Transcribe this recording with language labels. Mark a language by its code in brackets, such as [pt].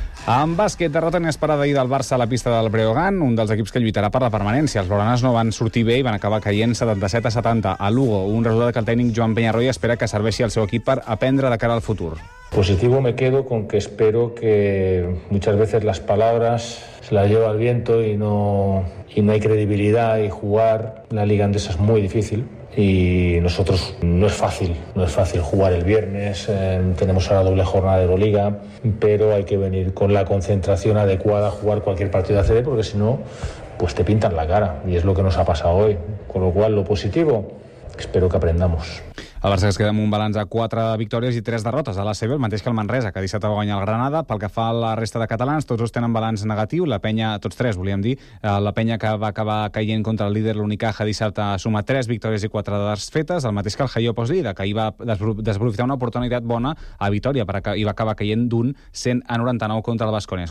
[ca] En bàsquet, derrota inesperada ahir del Barça a la pista del Breogán, un dels equips que lluitarà per la permanència. Els blaugranes no van sortir bé i van acabar caient 77-70 a Lugo, un resultat que el tècnic Joan Peñarroy espera que serveixi al seu equip per aprendre de cara al futur. [es] Positivo me quedo con que espero que muchas veces las palabras se las lleva el viento y no hay credibilidad y jugar la Liga Andesa es muy difícil. Y nosotros no es fácil jugar el viernes, tenemos ahora doble jornada de Euroliga, pero hay que venir con la concentración adecuada a jugar cualquier partido de ACB, porque si no, pues te pintan la cara, y es lo que nos ha pasado hoy. Con lo cual, lo positivo, espero que aprendamos. [ca] El Barça es queda amb un balanç de 4 victòries i 3 derrotes a l'ACB, el mateix que el Manresa, que dissabte va guanyar el Granada. Pel que fa a la resta de catalans, tots dos tenen balanç negatiu. La penya, tots tres, volíem dir, la penya que va acabar caient contra el líder, l'Unicaja, dissabte suma 3 victòries i 4 desfetes, el mateix que el Jaió Postlida, que hi va desaprofitar una oportunitat bona a Vitoria i va acabar caient d'un 100-99 contra el Baskonia.